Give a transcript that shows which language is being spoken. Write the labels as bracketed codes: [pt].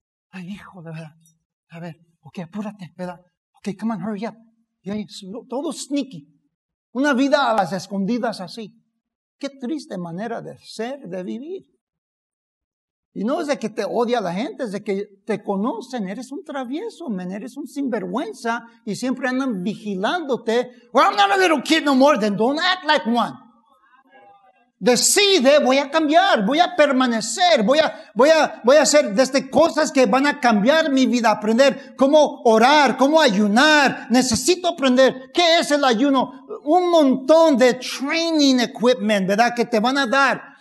[es] Ay, hijo, de verdad. A ver, ok, apúrate, ¿verdad? Ok, [en] come on, hurry up. [es] Y ahí, todo sneaky. Una vida a las escondidas así. Qué triste manera de ser, de vivir. Y no es de que te odia la gente, es de que te conocen. Eres un travieso, man. Eres un sinvergüenza y siempre andan vigilándote. [en] Well, I'm not a little kid no more, then don't act like one. [es] Decide, voy a cambiar, voy a permanecer, voy a hacer desde cosas que van a cambiar mi vida, aprender cómo orar, cómo ayunar. Necesito aprender qué es el ayuno. Un montón de training equipment, ¿verdad? Que te van a dar.